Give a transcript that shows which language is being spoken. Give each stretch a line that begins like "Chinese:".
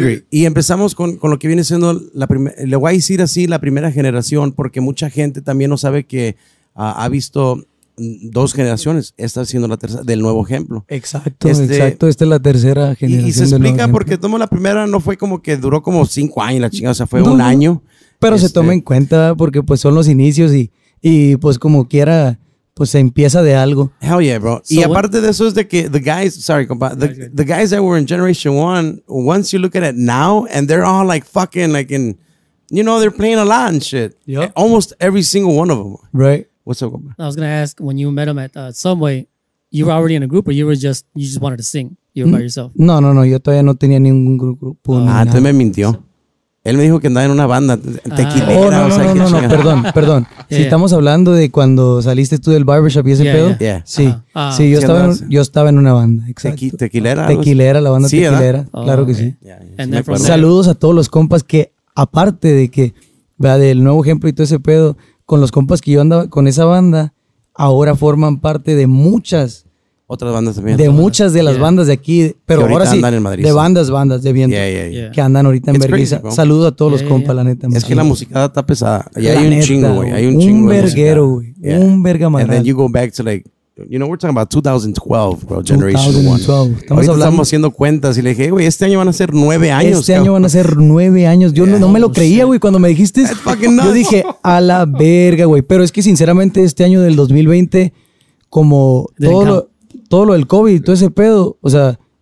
Spanish: Y empezamos con lo que viene siendo la primera. Le voy a decir así la primera generación, porque mucha gente también no sabe que ha visto dos generaciones. Esta siendo la tercera, del Nuevo Ejemplo. Exacto, exacto. Esta es la tercera generación. Y se explica porque tomo la primera, no fue como que duró como 5 años, la chingada, o sea, fue un año. Pero se toma en cuenta porque pues son los inicios y pues como quiera. Pues se empieza de algo.
English: Hell yeah, bro. So
Spanish: y aparte de eso es de que
English: the guys that were in Generation 1, once you look at it now, and they're all they're playing a lot and shit. Yep. Almost every single one of them. Right. What's up, compa? I was going to ask, when you met them at Subway, you were already in a group or you just wanted to sing? You were by yourself?
Spanish: No, yo todavía no tenía ningún grupo. Te me mintió. Él me dijo que andaba en una banda tequilera. Oh, no, o sea, no, perdón.
English: Yeah,
Spanish: si estamos hablando de cuando saliste tú del barbershop y ese pedo.
English: Yeah.
Spanish: Sí, sí, yo estaba en una banda. Exacto. ¿Tequilera? Tequilera, la banda tequilera. Oh, claro que sí. Yeah, sí. Saludos a todos los compas que, aparte de que, vea, del Nuevo Ejemplo y todo ese pedo, con los compas que yo andaba con esa banda, ahora forman parte de muchas... Otras bandas también. De muchas de las bandas de aquí, pero ahora sí, andan en Madrid, de bandas de viento, que andan ahorita en Berguisa. Saludos a todos los compas, la neta. Es que la musicada está pesada. Y hay un chingo, güey. Hay un chingo. Un verguero, güey. Un bergamarral.
English: And then you go back to like, you know, we're talking about 2012, bro, generation 2012. One.
Spanish: Estamos hablando. Estamos haciendo cuentas y le dije, güey, este año van a ser 9 años. Este año van a ser 9 años. Yo no me lo creía, güey, cuando me dijiste. Yo dije, a la verga, güey. Pero es que sinceramente este año del 2020, como todo lo del COVID y todo ese pedo, o sea...